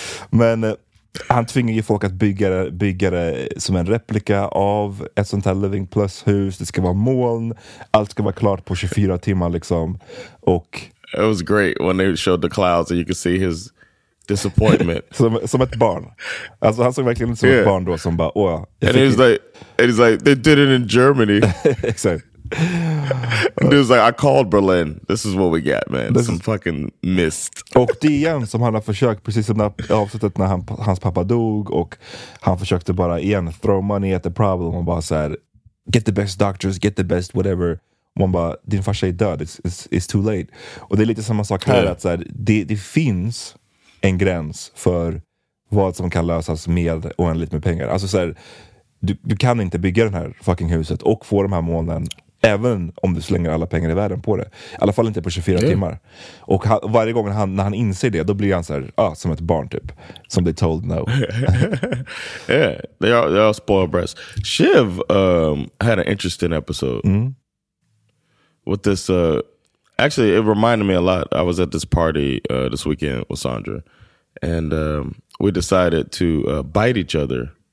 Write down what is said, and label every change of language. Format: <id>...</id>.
<sv>Men han tvingar ju folk att bygga det som en replika av ett sånt här Living Plus-hus. Det ska vara moln, allt ska vara klart på 24 timmar liksom. Och</sv> <en>it was great when they showed the clouds and you could see his disappointment.</en> <sv>Som ett barn. Alltså han såg verkligen som ett barn då, som bara, åh.</sv> <en>And he's like, they did it in Germany.</en> <sv>Exakt.</sv> <en>And he was like, I called Berlin. This is what we got, man. This some is fucking mist.</en> <sv>Och det igen, som han har försökt, precis som avsnittet när hans pappa dog, och han försökte bara igen</sv> <en>throw money at the problem</en> <sv>och bara såhär,</sv> <en>get the best doctors, get the best whatever.</en> <sv>Man bara, din farsa är död,</sv> <en>it's too late.</en> <sv>Och det är lite samma sak här, att såhär, det finns en gräns för vad som kan lösas med oändligt med pengar. Alltså såhär, du kan inte bygga den här fucking huset och få de här molnen, även om du slänger alla pengar i världen på det. I alla fall inte på 24 timmar. Och varje gång när han inser det, då blir han såhär, som ett barn typ. Som</sv> <en>they told no. Yeah, they are spoiled brats. Shiv had an interesting episode. Mm. With this, actually, it reminded me a lot. I was at this party this weekend with Sandra, and we decided to bite each other.</en>